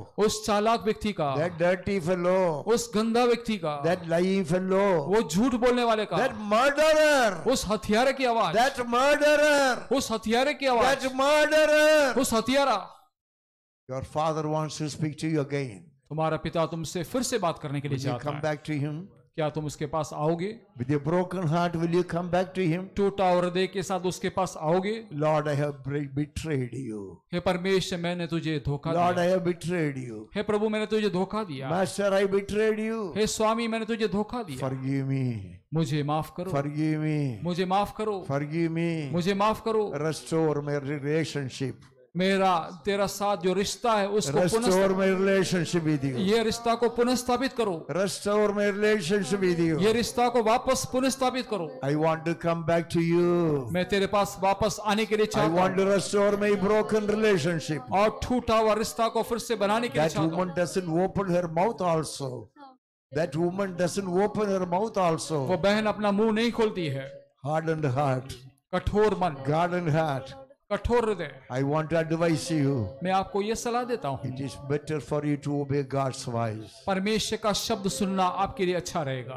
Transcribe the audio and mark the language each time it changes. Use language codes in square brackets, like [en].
[hi] us chalak vyakti ka [en] that dirty fellow [hi] us ganda vyakti ka [en] that lying fellow [hi] wo jhoot bolne wale ka [en] that murderer [hi] us hathiyare ki awaaz [en] That murderer. [hi] उस हथियारे की आवाज़. [en] That murderer. [hi] उस हथियारा. [en] Your father wants to speak to you again. [hi] तुम्हारा पिता तुमसे फिर से बात करने के लिए चाहता है. [en] Will you come back to him? [hi] क्या तुम उसके पास आओगे? [en] With a broken heart, will you come back to him? [hi] टूटा हृदय के साथ उसके पास आओगे? [en] Lord, I have betrayed you. [hi] हे परमेश्वर, मैंने तुझे धोखा [en] Lord, Lord, I have betrayed you. [hi] हे प्रभु, मैंने तुझे धोखा दिया. [en] Master, I betrayed you. [hi] हे स्वामी, मैंने तुझे धोखा दिया. [en] Forgive me. [hi] मुझे माफ करो [en] Forgive me. [hi] मुझे माफ करो [en] Forgive me. [hi] मुझे माफ करो [en] Restore my relationship. [hi] मेरा तेरा साथ जो रिश्ता है उसको [en] Restore my relationship with you. [hi] ये रिश्ता को पुनर्स्थापित करो [en] Restore my relationship with you. [hi] ये रिश्ता को वापस पुनर्स्थापित करो [en] I want to come back to you. [hi] मैं तेरे पास वापस आने के लिए चाहता हूं [en] I want to restore my broken relationship. [hi] और टूटा हुआ रिश्ता को फिर से बनाने के लिए चाहता हूं [en] That woman doesn't open her mouth also. That woman doesn't open her mouth also. [hi] वो बहन अपना मुंह नहीं खोलती है. [en] Hardened heart. [hi] कठोर मन. [en] Hardened heart. [hi] कठोर हृदय. [en] I want to advise you. [hi] मैं आपको ये सलाह देता हूँ. [en] It is better for you to obey God's voice. [hi] परमेश्वर का शब्द सुनना आपके लिए अच्छा रहेगा.